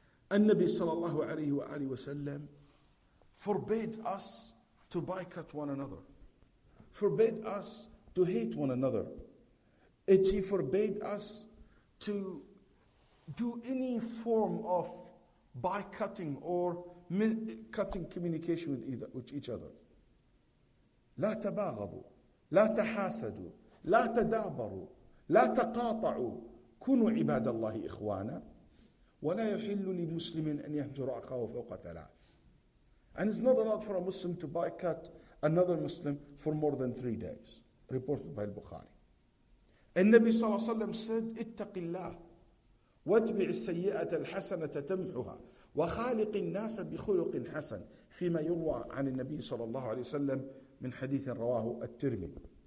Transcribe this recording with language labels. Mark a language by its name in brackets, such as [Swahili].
[English] An-Nabi sallallahu alayhi wa sallam forbade us to boycott one another, forbade us to hate one another. He forbade us to do any form of boycotting or cutting communication with each other. [Arabic] لا تباغضوا لا تحاسدوا لا تدابروا لا تقاطعوا كونوا عباد الله إخوانا ولا يحل لمسلم أن يهجر أخاه فوق ثلاث. [English] And it's not allowed for a Muslim to boycott another Muslim for more than 3 days, reported by Bukhari. [Arabic] النبي صلى الله عليه وسلم [English] said, [Arabic] اتق الله واتبع السيئة الحسنة تمحها وخالق الناس بخلق حسن, فيما يروى عن النبي صلى الله عليه وسلم من حديث رواه الترمذي.